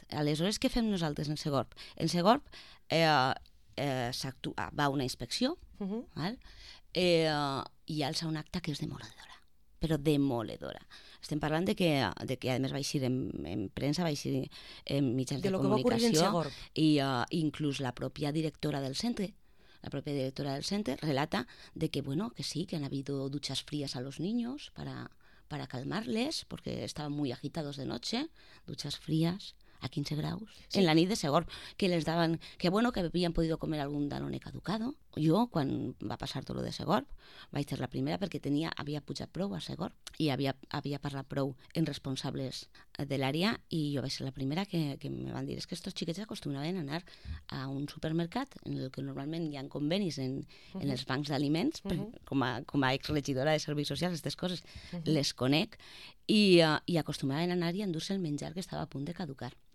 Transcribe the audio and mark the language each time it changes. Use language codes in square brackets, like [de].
[ca] Aleshores, què fem nosaltres en Segorb? En Segorb s'actua, va una inspecció, val? I alça un acte que és demoledora. Però demoledora. Estem parlant de que a més va eixir en premsa, va eixir en mitjans de comunicació. I inclús la pròpia directora del centre... [es] La propia directora del centre relata de que bueno, que sí, que han habido duchas frías a los niños para calmarles porque estaban muy agitados de noche, duchas frías a 15 graus, sí. [ca] En la nit [es] de Segor, que les daban, que bueno, que habían podido comer algún danone caducado. [ca] Jo, quan va passar tot lo de Segor, vaig ser la primera perquè havia pujat prou a Segor i havia parlat prou en responsables de l'àrea i jo vaig ser la primera que me van dir, és que estos xiquets acostumaven a anar a un supermercat en el que normalment hi ha convenis en els bancs d'aliments, com a exregidora de serveis socials, aquestes coses les conec, i acostumaven a anar i a endur-se el menjar que estava a punt de caducar.